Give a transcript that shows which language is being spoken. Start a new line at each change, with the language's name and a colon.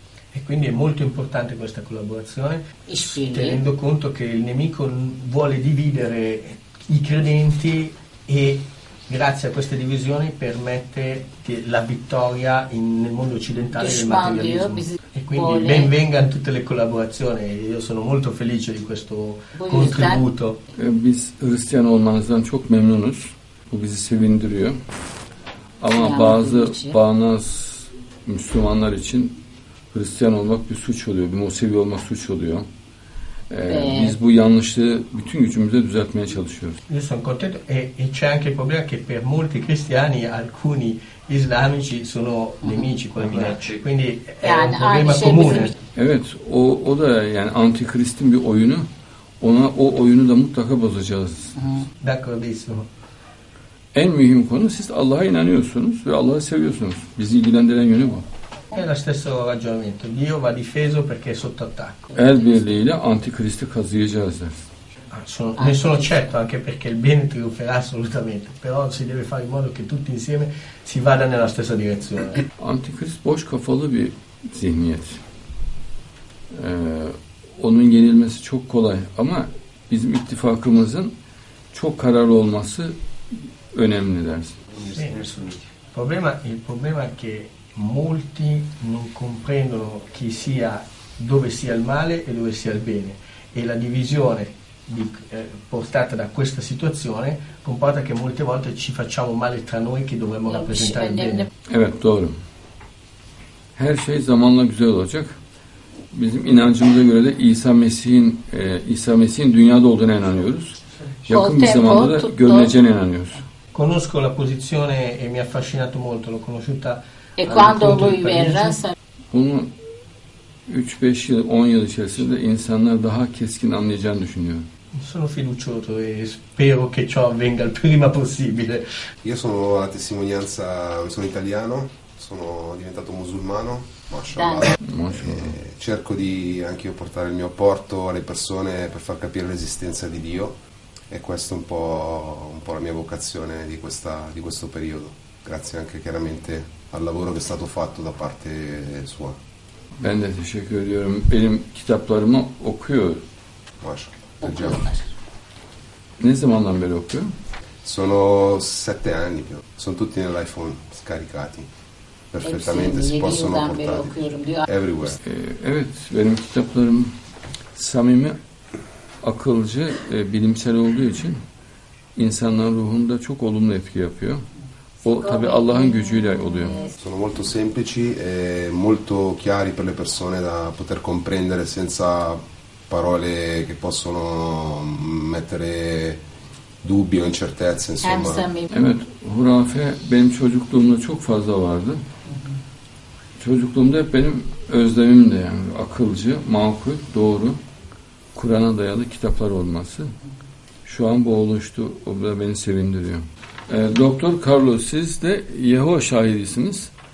Italian: E quindi è molto importante questa collaborazione, tenendo conto che il nemico vuole dividere i credenti e grazie a questa divisione permette la vittoria nel mondo occidentale del materialismo. E quindi ben vengano tutte le collaborazioni, io sono molto felice di questo contributo.
Turkish: Biz Hristiyan olmanızdan çok memnunuz. Bu bizi sevindiriyor. Ama bazı bağnaz Müslümanlar için Hristiyan olmak bir suç oluyor. Bir Musevi olmak suç oluyor. Biz bu yanlışlığı bütün gücümüzle düzeltmeye çalışıyoruz.
Italian: Io sono contento e c'è anche il problema che per molti cristiani alcuni islamici sono nemici, quindi è un problema comune.
Turkish: Evet, o da yani antikristin bir oyunu. O oyunu da mutlaka bozacağız.
Italian: D'accordissimo.
Turkish: En mühim konu siz Allah'a inanıyorsunuz ve Allah'ı seviyorsunuz. Bizi ilgilendiren yönü bu.
Italian: È lo stesso ragionamento. Dio va difeso perché è sotto attacco.
Turkish: El birliğiyle antikristi kazıyacağız.
Italian: Ne sono certo anche perché il bene trionferà assolutamente. Però si deve fare in modo che tutti insieme si vada nella stessa direzione.
Turkish: Antikrist boş kafalı bir zihniyet. Onun yenilmesi çok kolay ama bizim ittifakımızın çok kararlı olması önemli dersin.
Italian: Il problema è che molti non comprendono chi sia, dove sia il male e dove sia il bene. E la divisione portata da questa situazione comporta che molte volte ci facciamo male tra noi che dovremmo rappresentare il bene.
Turkish: Evet, doğru. Her şey zamanla güzel olacak. Bizim inancımıza göre de İsa Mesih'in dünyada olduğuna inanıyoruz. Yakın bir zamanda da görüneceğine inanıyoruz.
Italian: Conosco la posizione e mi ha affascinato molto, l'ho conosciuta. E quando lui verrà?
Turkish: Bunu 3-5 yıl, 10 yıl içerisinde insanlar daha keskin anlayacağını düşünüyorum.
Italian: Sono fiducioso e spero che ciò avvenga il prima possibile. Io sono la testimonianza, sono italiano, sono diventato musulmano,
Arabic: mashallah.
Italian: Cerco di anche io portare il mio apporto alle persone per far capire l'esistenza di Dio. E questo è un po' la mia vocazione di questo periodo, grazie anche chiaramente al lavoro che è stato fatto da parte sua.
Turkish: Ben de teşekkür ediyorum. Benim kitaplarımı okuyor. Maşallah. Ne zamandan beri okuyor?
Italian: Sono 7 anni più. Sono tutti nell'iPhone scaricati. Perfettamente si possono portare.
English: Everywhere.
Turkish: Evet, benim kitaplarım samimi, akılcı, bilimsel olduğu için insanların ruhunda çok olumlu etki yapıyor. O tabii Allah'ın gücüyle oluyor. Sono molto semplici e molto chiari per le persone da poter comprendere senza parole che possono mettere dubbio, incertezza insomma. Evet, hurafe benim çocukluğumda çok fazla vardı. Çocukluğumda hep benim özlemim de yani akılcı, makul, doğru. Kur'an'a dayalı kitaplar olması. Şu an bu oluştu. O da beni sevindiriyor. Doktor Carlos, siz de Yehova şahidisiniz.